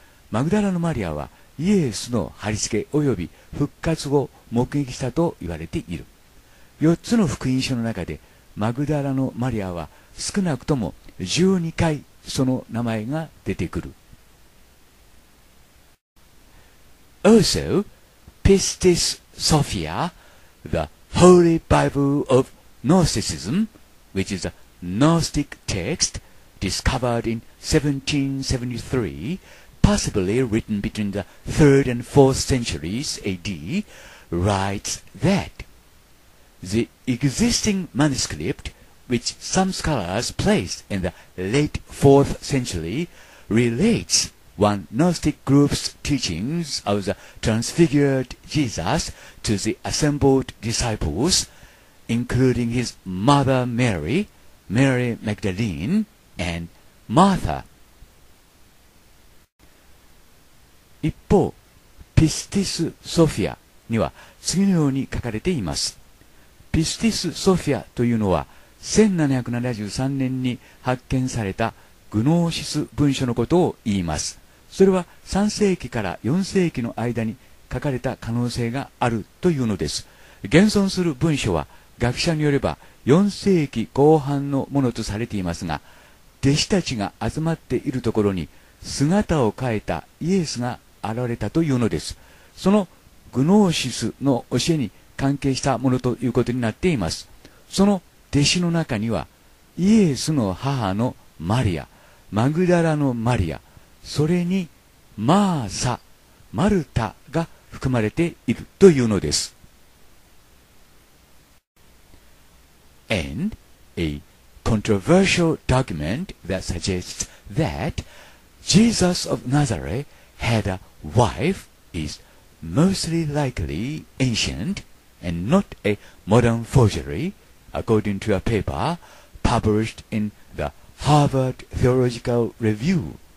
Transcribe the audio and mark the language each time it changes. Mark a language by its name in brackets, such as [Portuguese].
[Japanese] マグダラのマリアはイエスの貼り付けおよび復活を目撃したと言われている。 4つの福音書の中でマグダラのマリアは少なくとも12回その名前が出てくる。 [English] Also, Pistis Sophia, the Holy Bible of Gnosticism, which is a Gnostic text discovered in 1773, possibly written between the 3rd and 4th centuries AD, writes that the existing manuscript, which some scholars placed in the late 4th century, relates one Gnostic group's teachings of the transfigured Jesus to the assembled disciples, including his mother Mary, Mary Magdalene, and Martha. [Japanese] 一方、ピスティス・ソフィアには次のように書かれています。ピスティス・ソフィアというのは、1773年に発見されたグノーシス文書のことを言います。それは3世紀から4世紀の間に書かれた可能性があるというのです。現存する文書は学者によれば4世紀後半のものとされていますが、弟子たちが集まっているところに姿を変えたイエスが現れたというのです。そのグノーシスの教えに関係したものということになっています。その弟子の中にはイエスの母のマリア、マグダラのマリア、それにマーサ、マルタが含まれているというのです。 [English] And a controversial document that suggests that Jesus of Nazareth had a wife is mostly likely ancient and not a modern forgery, according to a paper published in the Harvard Theological Review.